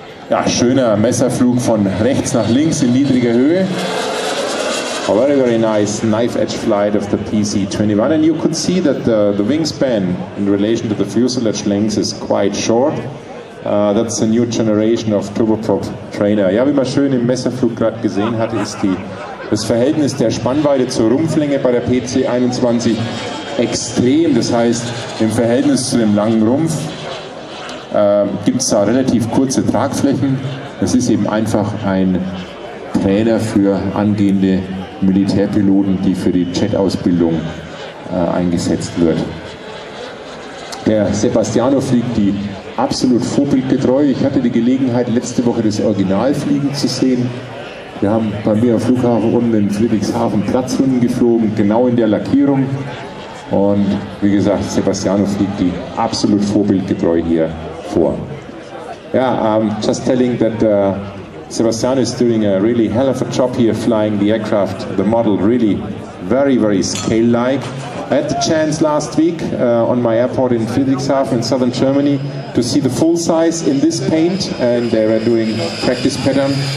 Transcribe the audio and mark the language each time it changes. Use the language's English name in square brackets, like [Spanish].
[German] Ja, schöner Messerflug von rechts nach links in niedriger Höhe. [English] A very, very nice knife edge flight of the PC-21. And you could see that the wingspan in relation to the fuselage length is quite short. That's a new generation of turboprop trainer. [German] Ja, wie man schön im Messerflug gerade gesehen hatte, ist das Verhältnis der Spannweite zur Rumpflänge bei der PC-21 extrem. Das heißt, im Verhältnis zu dem langen Rumpf gibt es da relativ kurze Tragflächen. Das ist eben einfach ein Trainer für angehende Militärpiloten, die für die Jet-Ausbildung eingesetzt wird. Der Sebastiano fliegt die absolut vorbildgetreu. Ich hatte die Gelegenheit, letzte Woche das Originalfliegen zu sehen. Wir haben bei mir am Flughafen unten in Friedrichshafen Platzrunden geflogen, genau in der Lackierung. Und wie gesagt, Sebastiano fliegt die absolut vorbildgetreu hier. [English] Yeah, I'm just telling that Sebastian is doing a really hell of a job here flying the aircraft, the model, really very, very scale-like. I had the chance last week on my airport in Friedrichshafen in southern Germany to see the full size in this paint, and they were doing practice pattern.